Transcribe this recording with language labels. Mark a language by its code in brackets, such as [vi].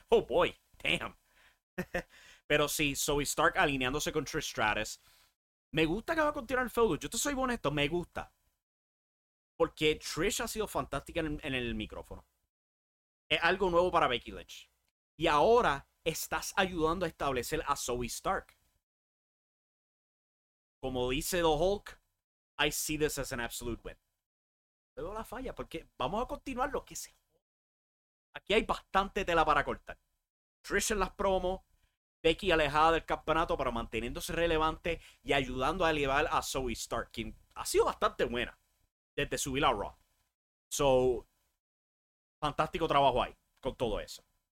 [en] Oh boy, damn. [es] Pero sí, Zoe Stark alineándose con Trish Stratus. Me gusta que va a continuar el feudo, yo te soy honesto, me gusta. Porque Trish ha sido fantástica en el micrófono. Es algo nuevo para Becky Lynch. Y ahora estás ayudando a establecer a Zoe Stark. Como dice [en] The Hulk, I see this as an absolute win. [es] Veo la falla porque vamos a continuar lo que se joda. Aquí hay bastante tela para cortar. Trish en las promos. Becky alejada del campeonato pero manteniéndose relevante. Y ayudando a elevar a Zoe Stark. Quien ha sido bastante buena. Desde subir a Raw. So, fantástico trabajo ahí con todo eso.